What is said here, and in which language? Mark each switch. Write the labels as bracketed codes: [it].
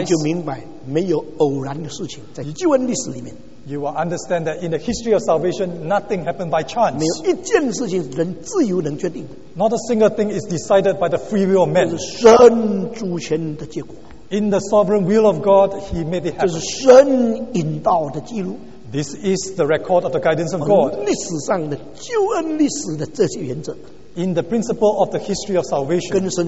[zh] 你就明白没有偶然的事情在救恩历史里面。 [en] You will understand that in the history of salvation, nothing happened by chance. [zh] 没有一件事情人自由能决定的。 [en] Not a single thing is decided by the free will of man. [zh] 这是神主权的结果。 [en] In the sovereign will of God, he made it happen. [zh] 这是神引导的记录。 [en] This is the record of the guidance of God. [zh] 历史上的救恩历史的这些原则。 [en] In the principle of the history of salvation,